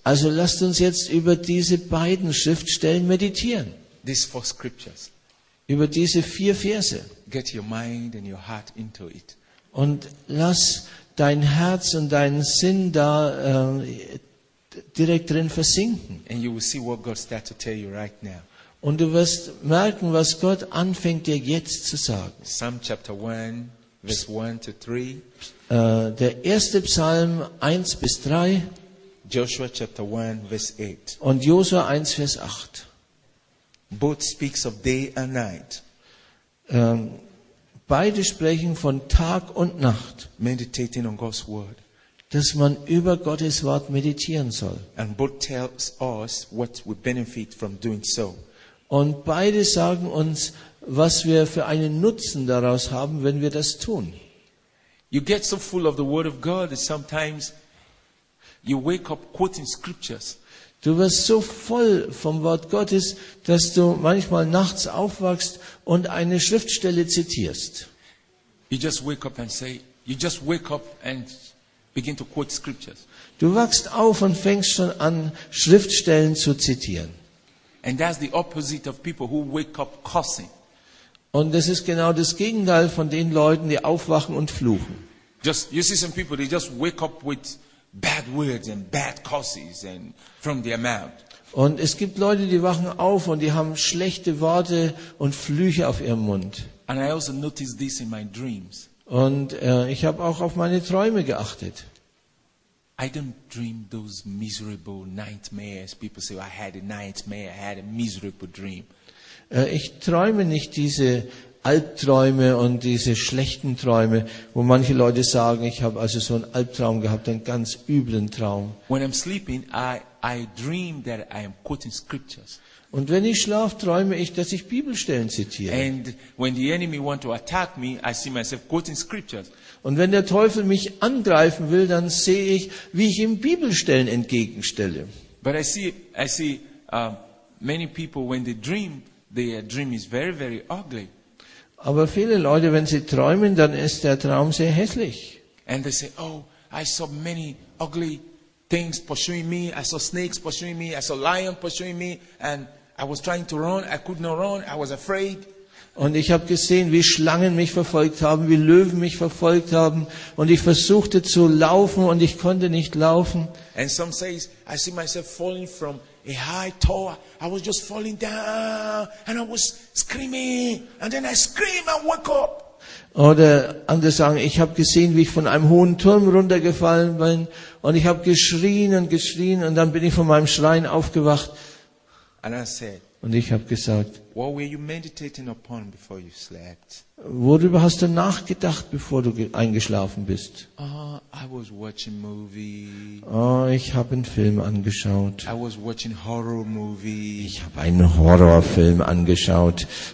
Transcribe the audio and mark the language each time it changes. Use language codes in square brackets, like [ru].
[de] Also lasst uns jetzt über diese beiden Schriftstellen meditieren. [en] These four scriptures. [de] Über diese vier Verse. [en] Get your mind and your heart into it. [de] Und lass dein Herz und deinen Sinn da direkt drin versinken. [en] And you will see what God starts to tell you right now. [de] Und du wirst merken, was Gott anfängt dir jetzt zu sagen. [en] Psalm chapter 1, verse 1 to [de] 3. Der erste Psalm 1 bis 3. [en] Joshua chapter 1, verse 8. [de] Und Josua 1, verse 8. [en] Both speaks of day and night. [de] Beide sprechen von Tag und Nacht. [en] Meditating on God's word. [de] Dass man über Gottes Wort meditieren soll. [en] And both tells us what we benefit from doing so. [de] Und beide sagen uns, was wir für einen Nutzen daraus haben, wenn wir das tun. [en] You get so full of the word of God that sometimes you wake up quoting scriptures. [de] Du wirst so voll vom Wort Gottes, dass du manchmal nachts aufwachst und eine Schriftstelle zitierst. [en] You just wake up and begin to quote scriptures. [de] Du wachst auf und fängst schon an, Schriftstellen zu zitieren. [en] And that's the opposite of people who wake up cursing. [de] Und das ist genau das Gegenteil von den Leuten, die aufwachen und fluchen. [en] Just, you see some people, they just wake up with bad words and bad curses and from their mouth. [de] Und es gibt Leute, die wachen auf und die haben schlechte Worte und Flüche auf ihrem Mund. [en] And I also noticed this in my dreams. [de] Und ich habe auch auf meine Träume geachtet. [en] I don't dream those miserable nightmares. People say, I had a nightmare, I had a miserable dream. [de] Ich träume nicht diese Albträume und diese schlechten Träume, wo manche Leute sagen, ich habe also so einen Albtraum gehabt, einen ganz üblen Traum. [en] When I'm sleeping, I dream that I am quoting scriptures. [de] Und wenn ich schlafe, träume ich, dass ich Bibelstellen zitiere. [en] And when the enemy want to attack me, I see myself quoting scriptures. [de] Und wenn der Teufel mich angreifen will, dann sehe ich, wie ich ihm Bibelstellen entgegenstelle. [en] But I see many people when they dream, their dream is very very ugly. [de] Aber viele Leute, wenn sie träumen, dann ist der Traum sehr hässlich. [en] And they say, oh, I saw many ugly things pursuing me. I saw snakes pursuing me. I saw lions pursuing me. And I was trying to run. I could not run. I was afraid. [de] Und ich habe gesehen, wie Schlangen mich verfolgt haben, wie Löwen mich verfolgt haben. Und ich versuchte zu laufen und ich konnte nicht laufen. [en] And some says, I see myself falling from a high tower. I was just falling down and I was screaming and then I scream and woke up. [de] Oder andere sagen, ich habe gesehen, wie ich von einem hohen Turm runtergefallen bin und ich habe geschrien und geschrien und dann bin ich von meinem Schreien aufgewacht. [en] And I said, [de] und ich habe gesagt, [en] what were you meditating upon before you slept? [de] Worüber hast du nachgedacht, bevor du eingeschlafen bist? [en] I was watching movies. [de] Oh, ich habe einen Film angeschaut. [en] I was watching horror movies. [de] Ich habe einen Horrorfilm angeschaut.